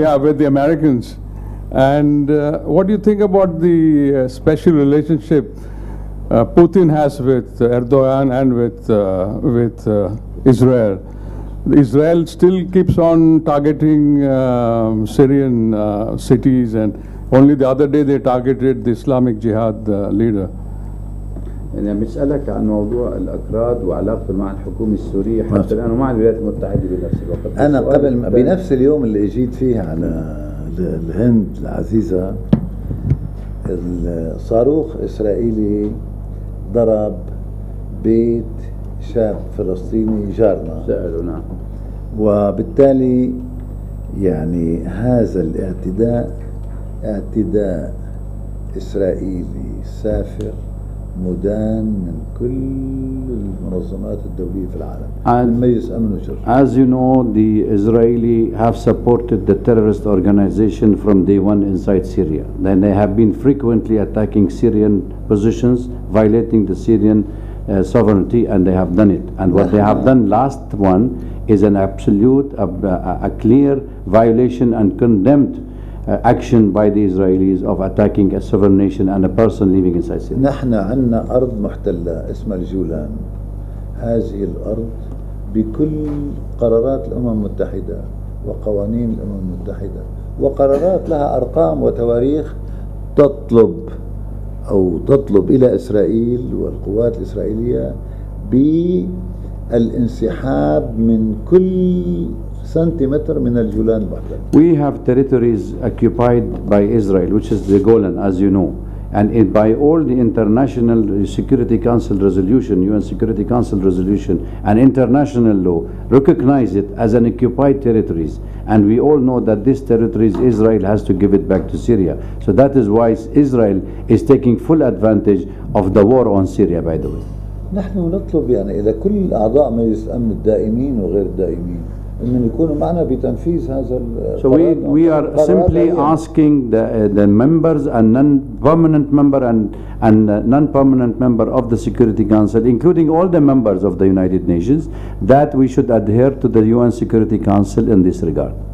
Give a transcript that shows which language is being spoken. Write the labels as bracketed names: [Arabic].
[English] yeah with the Americans And what do you think about the special relationship Putin has with Erdogan and with Israel? Israel still keeps on targeting Syrian cities, and only the other day they targeted the Islamic Jihad leader. [Arabic] أنا بسألك عن موضوع الأكراد وعلاقته مع الحكومة السورية حتى الآن ومع الولايات المتحدة بنفس الوقت. أنا قبل بنفس اليوم اللي أجيت فيه على الهند العزيزة الصاروخ إسرائيلي ضرب بيت شاب فلسطيني جارنا سألنا وبالتالي يعني هذا الاعتداء اعتداء إسرائيلي سافر مدان من كل المنظمات الدولية في العالم المجلس أمن وشرطة [English] As you know, the Israeli have supported the terrorist organization from day one inside Syria. Then they have been frequently attacking Syrian positions, violating the Syrian sovereignty, and they have done it. And what they have done last one is an absolute, a clear violation and condemned action by the Israelis of attacking a sovereign nation and a person living inside Syria. [Arabic] نحن عنا أرض محتلة اسمها الجولان. هذه الأرض بكل قرارات الأمم المتحدة وقوانين الأمم المتحدة وقرارات لها أرقام وتواريخ تطلب أو تطلب إلى إسرائيل والقوات الإسرائيلية بالانسحاب من كل سنتيمتر من الجولان المحتل. [English] We have territories occupied by Israel, which is the Golan, as you know. And it, by all the International Security Council resolution, UN Security Council resolution, and international law, recognize it as an occupied territories. And we all know that this territories, Israel has to give it back to Syria. So that is why Israel is taking full advantage of the war on Syria, by the way. [Arabic] نحن نطلب يعني إلى كل أعضاء مجلس الأمن الدائمين وغير الدائمين. [English] So we are simply asking the members and non-permanent member and non-permanent member of the Security Council, including all the members of the United Nations, that we should adhere to the UN Security Council in this regard.